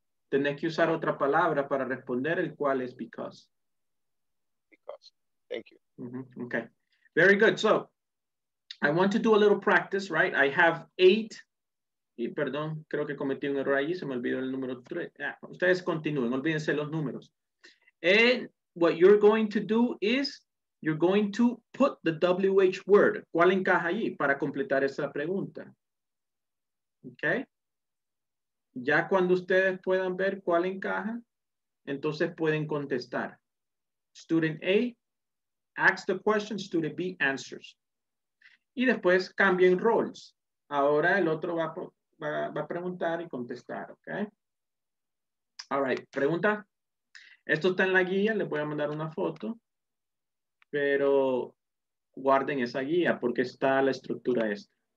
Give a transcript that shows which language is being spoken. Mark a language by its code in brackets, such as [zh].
[es] Tenés que usar otra palabra para responder, el cual es because. [en] Because. Thank you. Mm-hmm. Okay. Very good. So, I want to do a little practice, right? I have 8. [es] Y perdón, creo que cometí un error ahí. Se me olvidó el número 3. Ustedes continúen. Olvídense los números. [en] And what you're going to do is, you're going to put the WH word. [es] ¿Cuál encaja ahí para completar esa pregunta? Okay. Ya cuando ustedes puedan ver cuál encaja, entonces pueden contestar. [en] Student A asks the question, student B answers. [es] Y después cambien roles. Ahora el otro va a preguntar y contestar, okay? [en] All right, [es] pregunta. Esto está en la guía, les voy a mandar una foto. Pero guarden esa guía porque está la estructura esta.